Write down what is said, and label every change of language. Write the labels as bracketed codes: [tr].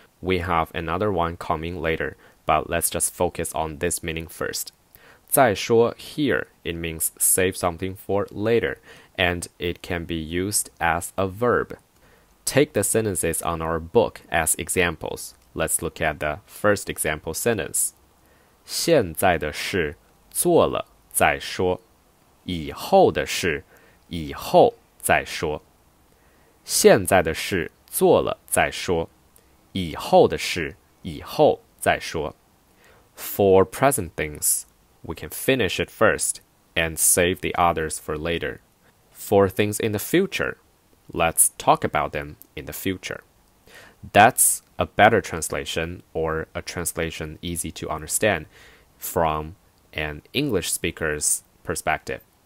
[en] We have another one coming later, but let's just focus on this meaning first. 再说 here, it means save something for later. And it can be used as a verb. Take the sentences on our book as examples. Let's look at the first example sentence. [zh] 现在的事做了再说，以后的事以后再说。现在的事做了再说，以后的事以后再说。 [en] For present things, we can finish it first and save the others for later. For things in the future, let's talk about them in the future. That's a better translation or a translation easy to understand from an English speaker's perspective.